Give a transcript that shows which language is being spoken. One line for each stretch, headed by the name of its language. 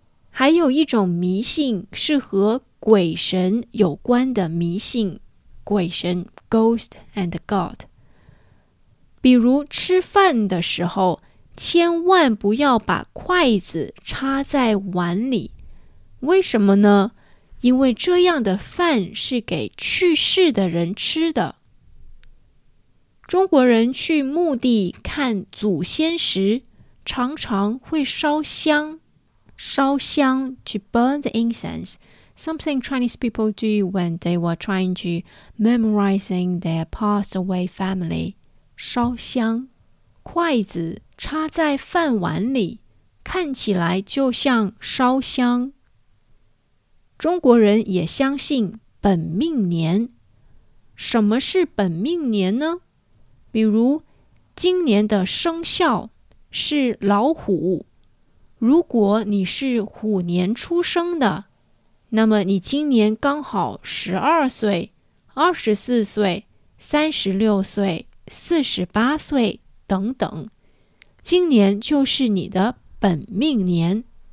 Chinese: 还有一种迷信是和鬼神有关的迷信，鬼神
English: ghost and god。
Chinese: 比如吃饭的时候千万不要把筷子插在碗里，为什么呢？因为这样的饭是给去世的人吃的。中国人去墓地看祖先时常常会烧香，烧香
English: to burn the incense, something Chinese people do when they were trying to memorizing their passed away family.
Chinese: 烧香，筷子插在饭碗里看起来就像烧香。中国人也相信本命年。什么是本命年呢？比如今年的生肖是老虎，如果你是虎年出生的，那么你今年刚好12岁、24岁、36岁、48岁等等，今年就是你的本命年。